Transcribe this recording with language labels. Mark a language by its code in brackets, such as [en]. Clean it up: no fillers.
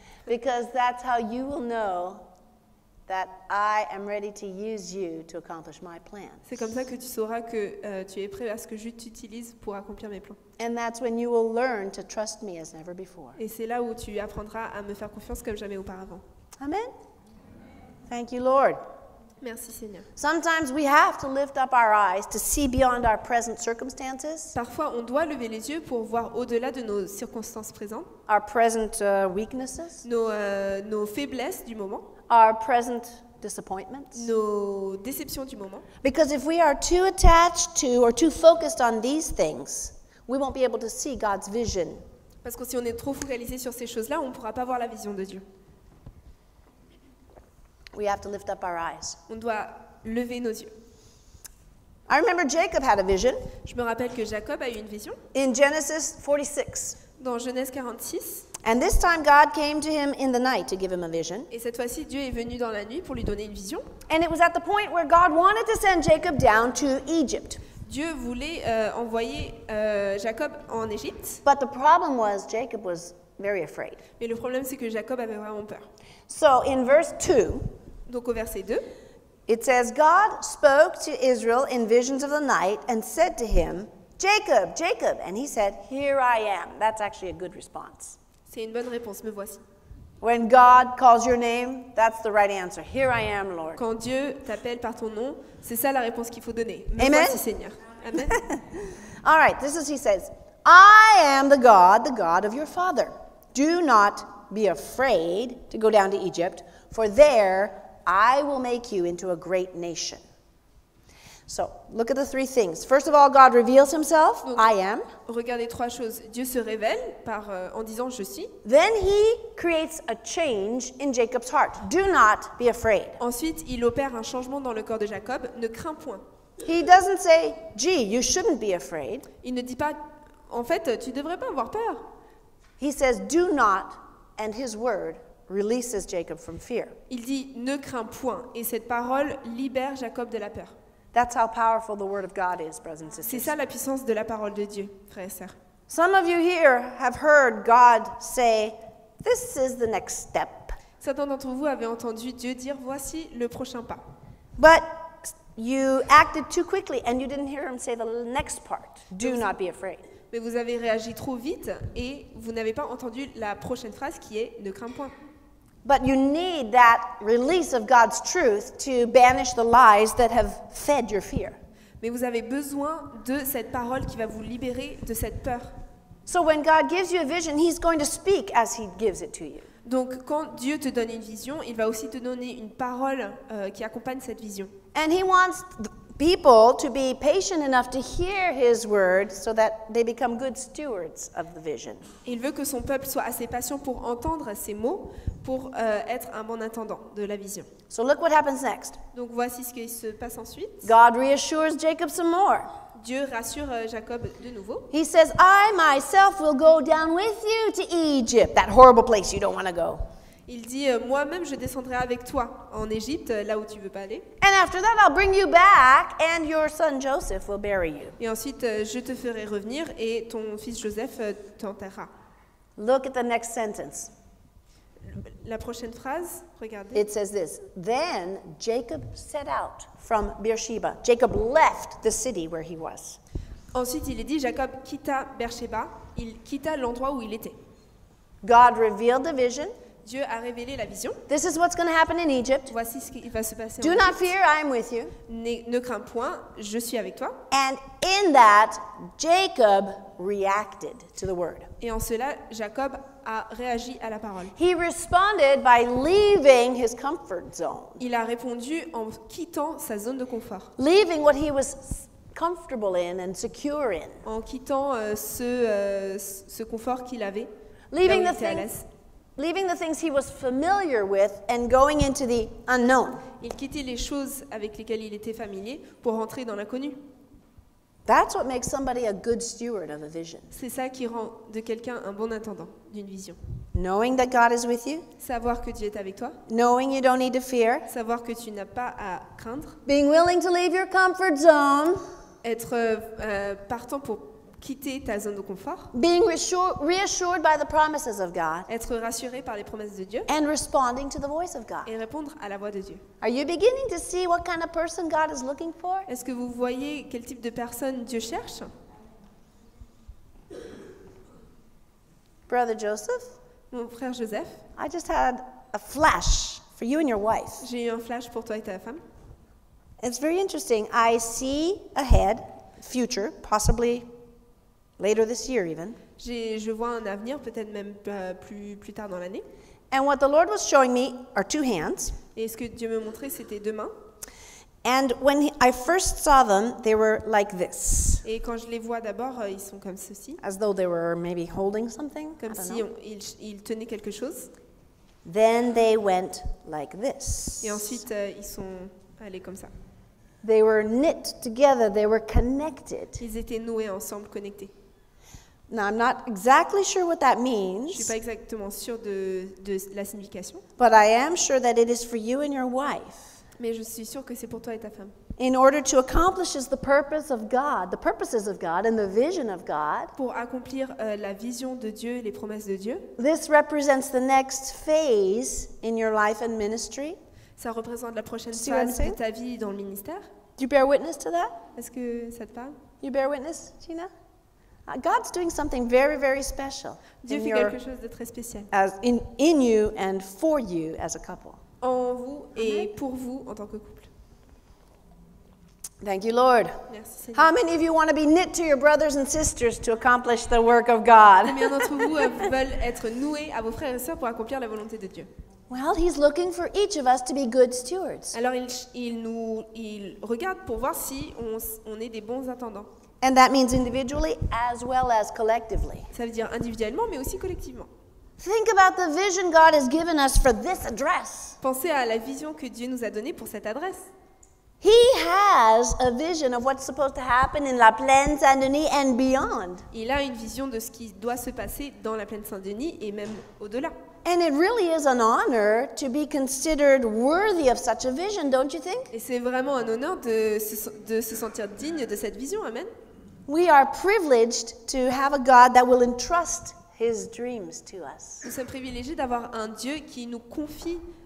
[en] Because that's how you will know that I am ready to use you to accomplish my plans. [fr] C'est comme ça que tu sauras que tu es prêt à ce que je t'utilise pour accomplir mes plans. [en] And that's when you will learn to trust me as never before. [fr] Et c'est là où tu apprendras à me faire confiance comme jamais auparavant. [en] Amen. Thank you, Lord. [fr] Merci, Seigneur. [en] Sometimes we have to lift up our eyes to see beyond our present circumstances. [fr] Parfois, on doit lever les yeux pour voir au-delà de nos circonstances présentes. [en] Our present weaknesses. [fr] Nos faiblesses du moment. [en] Our present disappointments. [fr] Nos déceptions du moment. [en] Because if we are too attached to or too focused on these things, we won't be able to see God's vision. [fr] Parce que si on est trop focalisé sur ces choses-là, on ne pourra pas voir la vision de Dieu. [en] We have to lift up our eyes. [fr] On doit lever nos yeux. [en] I remember Jacob had a vision. [fr] Je me rappelle que Jacob a eu une vision. [en] In Genesis 46. [fr] Dans Genèse 46. [en] And this time God came to him in the night to give him a vision. [fr] Et cette fois-ci Dieu est venu dans la nuit pour lui donner une vision. [en] And it was at the point where God wanted to send Jacob down to Egypt. [fr] Dieu voulait envoyer Jacob en Égypte. [en] But the problem was Jacob was very afraid. [fr] Mais le problème c'est que Jacob avait vraiment peur. [en] So in verse 2. [fr] Donc au verset 2. [en] It says God spoke to Israel in visions of the night and said to him, Jacob, Jacob, and he said, here I am. That's actually a good response. [fr] C'est une bonne réponse, me voici. [en] When God calls your name, that's the right answer. Here I am, Lord. [fr] Quand Dieu t'appelle par ton nom, c'est ça la réponse qu'il faut donner. Me Amen. Voici, Seigneur. Amen. [en] All right, this is he says, I am the God of your father. Do not be afraid to go down to Egypt, for there I will make you into a great nation. So, look at the three things. First of all, God reveals himself, [fr] donc, [en] I am. [fr] Regardez trois choses. Dieu se révèle par, en disant, je suis. [en] Then he creates a change in Jacob's heart. Do not be afraid. [fr] Ensuite, il opère un changement dans le corps de Jacob. Ne crains point. [en] He doesn't say, gee, you shouldn't be afraid. [fr] Il ne dit pas, en fait, tu devrais pas avoir peur. [en] He says, do not, and his word releases Jacob from fear. [fr] Il dit, ne crains point, et cette parole libère Jacob de la peur. [en] That's how powerful the word of God is, brothers and sisters. [fr] C'est ça la puissance de la parole de Dieu, frères et sœurs. [en] Some of you here have heard God say, "This is the next step." [fr] Certains d'entre vous avaient entendu Dieu dire, "Voici le prochain pas." [en] But You acted too quickly and you didn't hear him say the next part. Do not be afraid. [fr] Mais vous avez réagi trop vite et vous n'avez pas entendu la prochaine phrase qui est ne crains point. [en] But you need that release of God's truth to banish the lies that have fed your fear. [fr] Mais vous avez besoin de cette parole qui va vous libérer de cette peur. [en] So when God gives you a vision, he's going to speak as he gives it to you. [fr] Donc quand Dieu te donne une vision, il va aussi te donner une parole qui accompagne cette vision. [en] And he wants people to be patient enough to hear his word so that they become good stewards of the vision. [fr] Il veut que son peuple soit assez patient pour entendre ses mots pour être un bon intendant de la vision. [en] So look what happens next. [fr] Donc voici ce qui se passe ensuite. [en] God reassures Jacob some more. [fr] Dieu rassure Jacob de nouveau. [en] He says, I myself will go down with you to Egypt, that horrible place you don't want to go. [fr] Il dit, moi-même, je descendrai avec toi en Égypte, là où tu ne veux pas aller. [en] And after that, I'll bring you back and your son Joseph will bury you. [fr] Et ensuite, je te ferai revenir et ton fils Joseph t'enterrera. [en] Look at the next sentence. [fr] La prochaine phrase, regardez. [en] It says this. Then Jacob set out from Beersheba. Jacob left the city where he was. [fr] Ensuite, il est dit, Jacob quitta Beersheba. Il quitta l'endroit où il était. [en] God revealed the vision. [fr] Dieu a révélé la vision. [en] This is what's going to happen in Egypt. [fr] Voici ce qui va se passer [en] Do [fr] en [en] not [fr] Egypte. [en] Fear, I am with you. [fr] Ne crains point, je suis avec toi. [en] And in that, Jacob reacted to the word. [fr] Et en cela, Jacob a réagi à la parole. [en] He responded by leaving his comfort zone. [fr] Il a répondu en quittant sa zone de confort. [en] Leaving what he was comfortable in and secure in. En quittant ce confort qu'il avait. Leaving the things. Leaving the things he was familiar with and going into the unknown. [fr] Il quittait les choses avec lesquelles il était familier pour rentrer dans l'inconnu. [en] That's what makes somebody a good steward of a vision. [fr] C'est ça qui rend de quelqu'un un bon intendant d'une vision. [en] Knowing that God is with you. [fr] Savoir que Dieu est avec toi. [en] Knowing you don't need to fear. [fr] Savoir que tu n'as pas à craindre. [en] Being willing to leave your comfort zone. [fr] Être partant pour quitter ta zone de confort. [en] Being reassured by the promises of God. [fr] Être rassuré par les promesses de Dieu. [en] And responding to the voice of God. [fr] Et répondre à la voix de Dieu. [en] Are you beginning to see what kind of person God is looking for? [fr] Est-ce que vous voyez quel type de personne Dieu cherche? [en] Brother Joseph. [fr] Mon frère Joseph. [en] I just had a flash for you and your wife. [fr] J'ai eu un flash pour toi et ta femme. [en] It's very interesting. I see ahead, future, possibly. Later this year, even. [fr] Je vois un avenir, peut-être même plus tard dans l'année. [en] And what the Lord was showing me are two hands. [fr] Et ce que Dieu me montrait, c'était deux mains. [en] And when I first saw them, they were like this. [fr] Et quand je les vois d'abord, ils sont comme ceci. [en] As though they were maybe holding something. [fr] Comme si ils tenaient quelque chose. [en] Then they went like this. [fr] Et ensuite, ils sont allés comme ça. [en] They were knit together, they were connected. [fr] Ils étaient noués ensemble, connectés. [en] Now, I'm not exactly sure what that means. [fr] Je suis pas exactement sûre de la signification. [en] But I am sure that it is for you and your wife. [fr] Mais je suis sûre que c'est pour toi et ta femme. [en] In order to accomplish the purpose of God, the purposes of God and the vision of God. [fr] Pour accomplir la vision de Dieu et les promesses de Dieu. [en] This represents the next phase in your life and ministry. [fr] Ça représente la prochaine phase de ta vie dans le ministère. [en] Do you bear witness to that? [fr] Est-ce que ça te parle? [en] You bear witness, Gina? God's doing something very, very special. [fr] Dieu fait quelque chose de très spécial. In you and for you as a couple. En vous et pour vous en tant que couple. [en] Thank you, Lord. [fr] Merci, Seigneur. [en] How many of you want to be knit to your brothers and sisters to accomplish the work of God? [fr] Combien d'entre vous veulent être noués à vos frères et sœurs pour accomplir la volonté de Dieu? [en] Well, he's looking for each of us to be good stewards. [fr] Alors il regarde pour voir si on est des bons intendants. [en] And that means individually as well as collectively. [fr] Ça veut dire individuellement mais aussi collectivement. [en] Think about the vision God has given us for this address. [fr] Pensez à la vision que Dieu nous a donnée pour cette adresse. [en] He has a vision of what's supposed to happen in la plaine Saint-Denis and beyond. [fr] Il a une vision de ce qui doit se passer dans la plaine Saint-Denis et même au-delà. [en] And it really is an honor to be considered worthy of such a vision, don't you think? [fr] Et c'est vraiment un honneur de se sentir digne de cette vision, amen. [en] We are privileged to have a God that will entrust his dreams to us. [fr] Nous sommes privilégiés d'avoir un Dieu qui nous confie